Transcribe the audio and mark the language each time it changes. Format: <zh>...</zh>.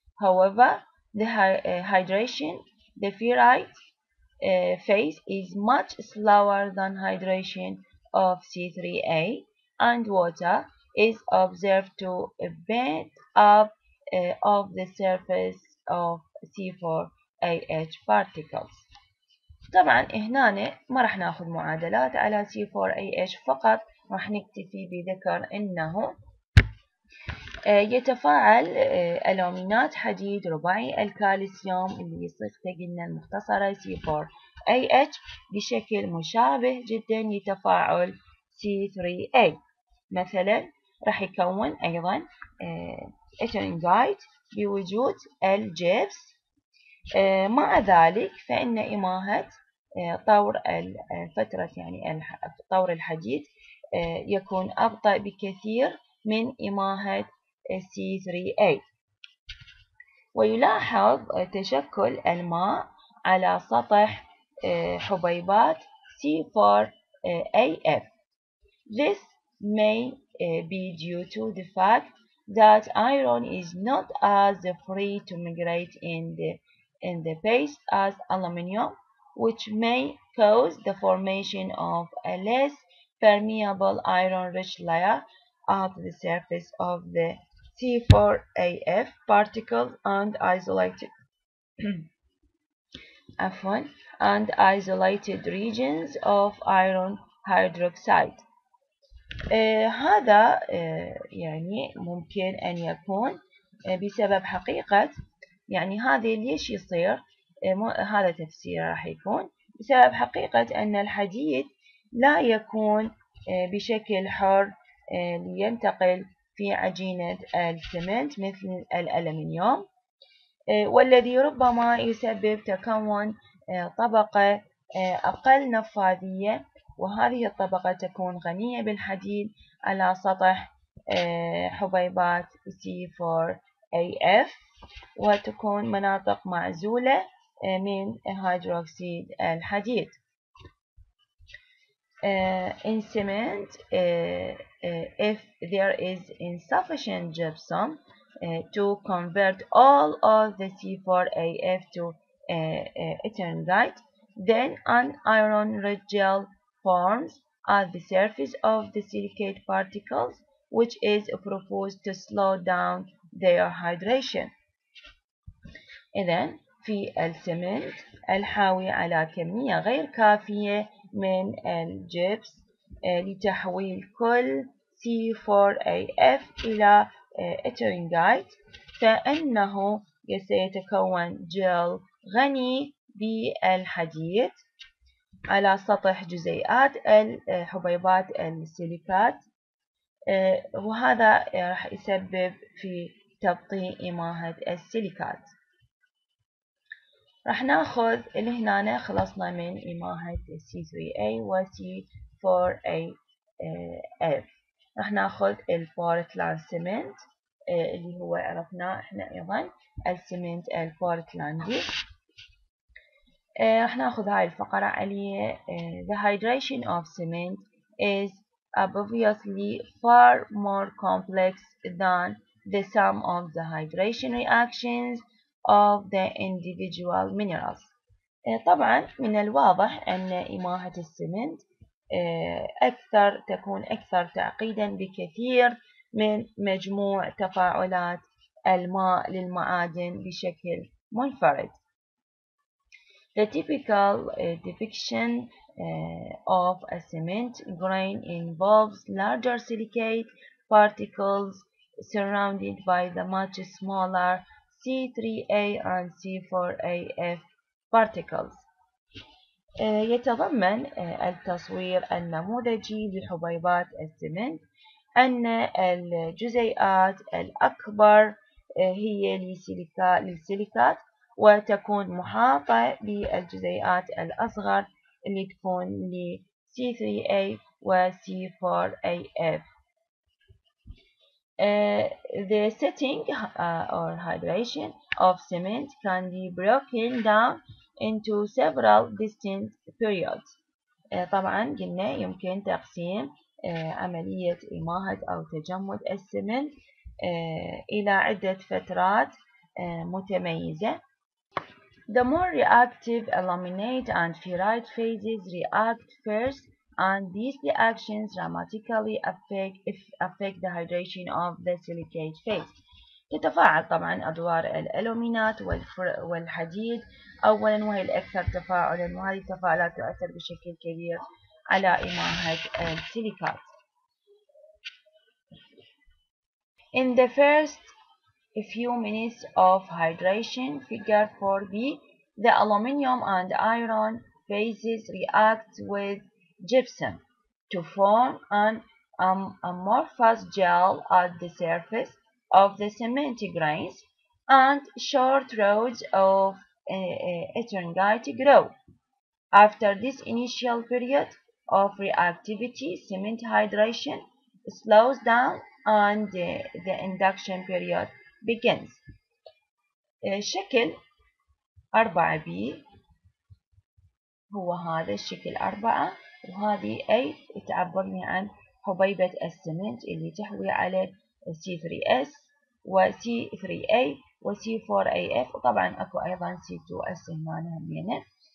<en>However, the hydration, the ferrite phase is much slower than hydration of C3A, and water is observed to event up of the surface of C4AH particles.</en> <ar>طبعا هنا ما رح ناخذ معادلات على C4AH، فقط رح نكتفي بذكر انه يتفاعل ألومينات حديد رباعي الكالسيوم اللي صيغته قلنا المختصرة C4AH بشكل مشابه جدا لتفاعل C3A. مثلا راح يكون أيضا إترينجايت بوجود الجبس، مع ذلك فإن إماهة طور الفترة يعني طور الحديد يكون أبطأ بكثير من إماهة C3A. ويلاحظ تشكل الماء على سطح حبيبات C4AF.</ar> <en>This may be due to the fact that iron is not as free to migrate in the paste as aluminium, which may cause the formation of a less permeable iron-rich layer at the surface of the C4AF particles and isolated and isolated regions of iron hydroxide.</en> <ar>هذا يعني ممكن أن يكون بسبب حقيقة، يعني هذا ليش يصير، هذا تفسير راح يكون بسبب حقيقة أن الحديد لا يكون بشكل حر لينتقل في عجينة السمنت مثل الألمنيوم، والذي ربما يسبب تكون طبقة أقل نفاذية، وهذه الطبقة تكون غنية بالحديد على سطح حبيبات C4AF، وتكون مناطق معزولة من هيدروكسيد الحديد.</ar> <en>In cement, if there is insufficient gypsum to convert all of the C4AF to eternite, then an iron rich gel forms at the surface of the silicate particles, which is proposed to slow down their hydration.</en> <ar>إذن في السمنت الحاوي على كمية غير كافية من الجبس لتحويل كل C4AF إلى اترينجايت، فإنه سيتكون جل غني بالحديد على سطح جزيئات الحبيبات السيليكات، وهذا راح يسبب في تبطيء إماهة السيليكات. راح ناخذ اللي هنا خلصنا من إماهة C3A و C4AF. راح ناخذ البورتلان سيمنت اللي هو عرفناه احنا ايضا السيمنت البورتلاندي. راح ناخذ هاي الفقرة عليه.</ar> <en>The hydration of cement is obviously far more complex than the sum of the hydration reactions of the individual minerals.</en> <ar>طبعا من الواضح ان إماهة السمنت اكثر تكون اكثر تعقيدا بكثير من مجموع تفاعلات الماء للمعادن بشكل منفرد.</ar> <en>The typical depiction of a cement grain involves larger silicate particles surrounded by the much smaller C3A and C4AF particles.</en> <ar>يتضمن التصوير النموذجي لحبيبات السمنت أن الجزيئات الأكبر هي للسيليكات، وتكون محاطة بالجزيئات الأصغر اللي تكون لـ C3A و C4AF.</ar> <en>The setting or hydration of cement can be broken down into several distinct periods.</en> <ar>طبعا قلنا يمكن تقسيم عملية إماهة أو تجمد السمنت إلى عدة فترات متميزة.</ar> <en>The more reactive laminate and ferrite phases react first, and these reactions dramatically affect the hydration of the silicate phase.</en> <ar>تتفاعل طبعا أدوار الألومينات والحديد أولا وهي الأكثر تفاعلا، وهذه التفاعلات تؤثر بشكل كبير على إماهة السيليكات.</ar> <en>In the first few minutes of hydration, figure 4b, the aluminium and iron phases react with gypsum to form an amorphous gel at the surface of the cement grains, and short rods of eternite grow. After this initial period of reactivity, cement hydration slows down and the induction period begins.</en> <ar>شكل 4B هو هذا الشكل 4، وهذه أي تعبر لي عن حبيبة السمنت اللي تحوي على C3S و C3A و C4AF، وطبعا اكو ايضا C2S هنا همينه.</ar>